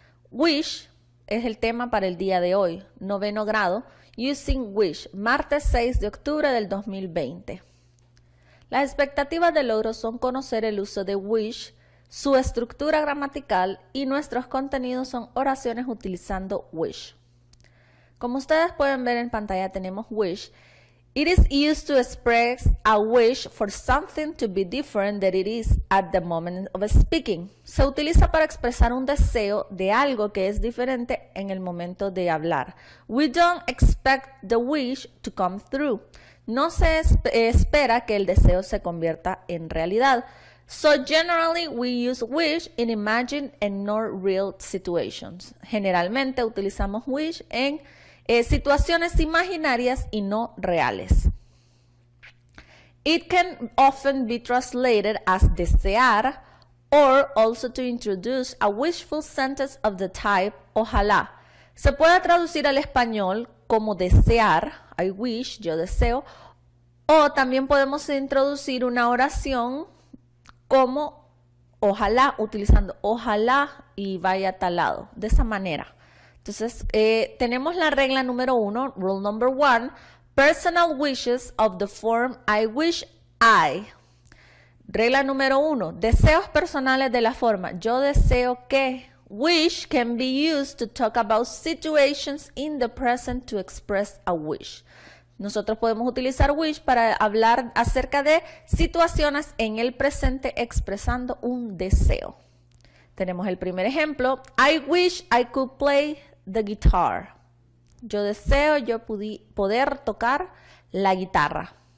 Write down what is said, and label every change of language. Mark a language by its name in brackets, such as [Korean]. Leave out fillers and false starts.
[Spanish] Wish es el tema para el día de hoy, noveno grado, [English] using wish, [Spanish] martes 6 de octubre del 2020. Las expectativas de logro son conocer el uso de wish, su estructura gramatical y nuestros contenidos son oraciones utilizando wish. Como ustedes pueden ver en pantalla tenemos wish. [English] It is used to express a wish for something to be different than it is at the moment of speaking. [Spanish] Se utiliza para expresar un deseo de algo que es diferente en el momento de hablar. [English] We don't expect the wish to come through. [Spanish] No se espera que el deseo se convierta en realidad. [English] So generally we use wish in imagined and not real situations. [Spanish] Generalmente utilizamos wish en situaciones imaginarias y no reales. [English] It can often be translated as desear or also to introduce a wishful sentence of the type ojalá. [Spanish] Se puede traducir al español como desear, [English] I wish, [Spanish] yo deseo, o también podemos introducir una oración como ojalá, utilizando ojalá y vaya a tal lado, de esa manera. Entonces, tenemos la regla número uno, [English] rule number one, personal wishes of the form I wish I. [Spanish] Regla número uno, deseos personales de la forma yo deseo que. [English] Wish can be used to talk about situations in the present to express a wish. [Spanish] Nosotros podemos utilizar wish para hablar acerca de situaciones en el presente expresando un deseo. Tenemos el primer ejemplo. [English] I wish I could play the guitar. [Spanish] Yo deseo yo poder tocar la guitarra.